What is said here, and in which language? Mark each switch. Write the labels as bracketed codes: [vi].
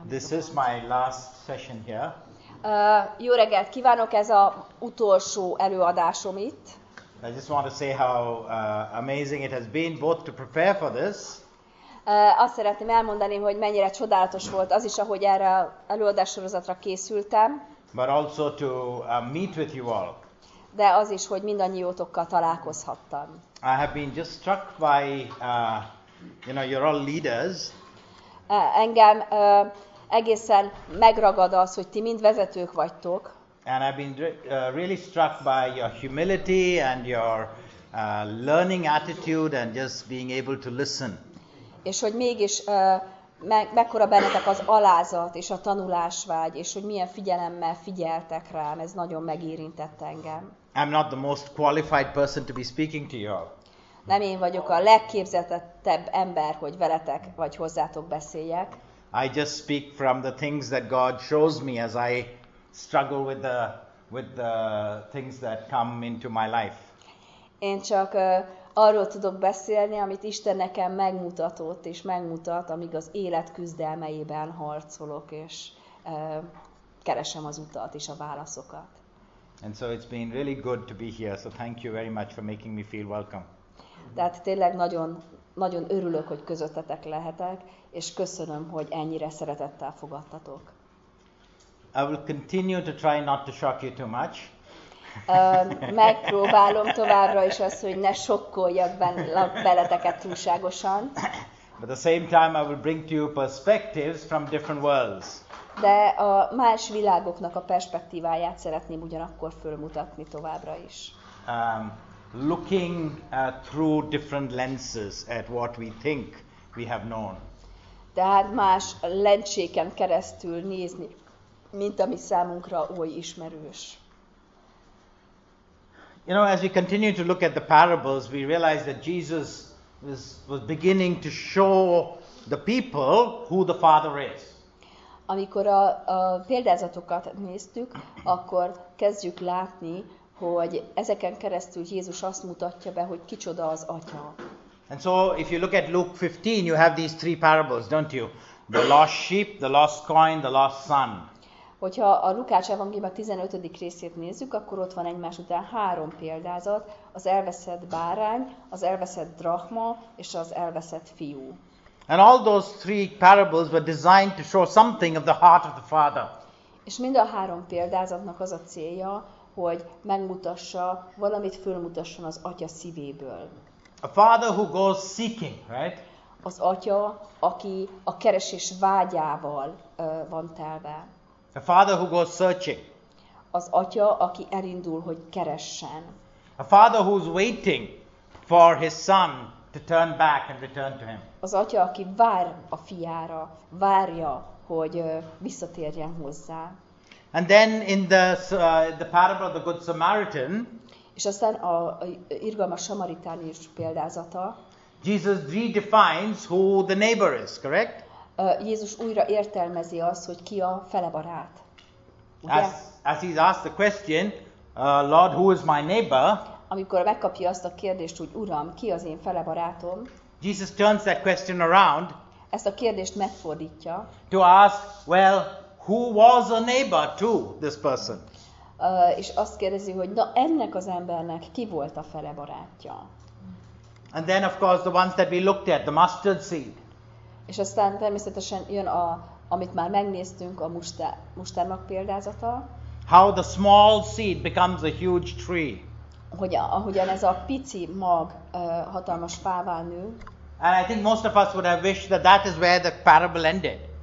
[en] This is my last session here. [hu] Jó reggelt kívánok, ez az utolsó előadásom itt. [en] I just want to say how amazing it has been both to prepare for this. [hu] Azt szeretném elmondani, hogy mennyire csodálatos volt az is, ahogy erre előadássorozatra készültem. [en] But also to meet with you all. [hu] De az is, hogy mindannyiótokkal találkozhattam. [en] I have been just struck by, you know, you're all leaders. [hu] Engem egészen megragad az, hogy ti mind vezetők vagytok. [en] And I've been really struck by your humility and your learning attitude and just being able to listen. [hu] És hogy mégis mekkora bennetek az alázat és a tanulásvágy, és hogy milyen figyelemmel figyeltek rám, ez nagyon megérintett engem. [en] I'm not the most qualified person to be speaking to you all. [hu] Nem én vagyok a legképzettebb ember, hogy veletek vagy hozzátok beszéljek. [en] I just speak from the things that God shows me as I struggle with the things that come into my life. [hu] Én csak arról tudok beszélni, amit Isten nekem megmutatott és megmutat, amíg az élet küzdelmeiben harcolok és keresem az utat és a válaszokat. [en] And so it's been really good to be here. So thank you very much for making me feel welcome. [hu] Tehát tényleg nagyon, nagyon örülök, hogy közöttetek lehetek, és köszönöm, hogy ennyire szeretettel fogadtatok. [en] I will continue to try not to shock you too much. [hu] Megpróbálom továbbra is azt, hogy ne sokkoljak beleteket túlságosan. [en] But the same time I will bring to you perspectives from different worlds. [hu] De a más világoknak a perspektíváját szeretném ugyanakkor fölmutatni továbbra is. [en] Looking through different lenses at what we think we have known. [hu] Tehát más lencséken keresztül nézni, mint ami számunkra új ismerős. [en] You know, as we continue to look at the parables, we realize that Jesus was beginning to show the people who the Father is. [hu] Amikor a példázatokat néztük, akkor kezdjük látni, hogy ezeken keresztül Jézus azt mutatja be, hogy kicsoda az Atya. [en] And so if you look at Luke 15, you have these three parables, don't you? The lost sheep, the lost coin, the lost son. [hu] Hogyha a Lukács evangélium 15. részét nézzük, akkor ott van egymás után három példázat, az elveszett bárány, az elveszett drachma és az elveszett fiú. [en] And all those three parables were designed to show something of the heart of the Father. [hu] És mind a három példázatnak az a célja, hogy megmutassa, valamit fölmutasson az Atya szívéből. [en] A father who goes seeking, right? [hu] Az Atya, aki a keresés vágyával van telve. [en] A father who goes searching. [hu] Az Atya, aki elindul, hogy keressen. [en] A father who's waiting for his son to turn back and return to him. [hu] Az Atya, aki vár a fiára, várja, hogy visszatérjen hozzá. [en] And then in the parable of the good Samaritan, [hu] és aztán a irgalmas samaritánus példázata. [en] Jesus redefines who the neighbor is, correct? [hu] Jézus újra értelmezi azt, hogy ki a felebarát. [en] As he's asked the question, Lord, who is my neighbor? [hu] Amikor megkapja azt a kérdést, hogy Uram, ki az én felebarátom? [en] Jesus turns that question around. [hu] Ezt a kérdést megfordítja. [en] To ask, well, who was a neighbor to this person? [hu] És azt kérdezi, hogy na ennek az embernek ki volt a felebarátja? [en] And then of course the ones that we looked at, the mustard seed. [hu] És aztán természetesen jön a, amit már megnéztünk, a mustárnak példázata. [en] How the small seed becomes a huge tree. [hu] Ahogyan ez a pici mag hatalmas fává nő. [en] And I think most of us would have wished that that is where the parable ended.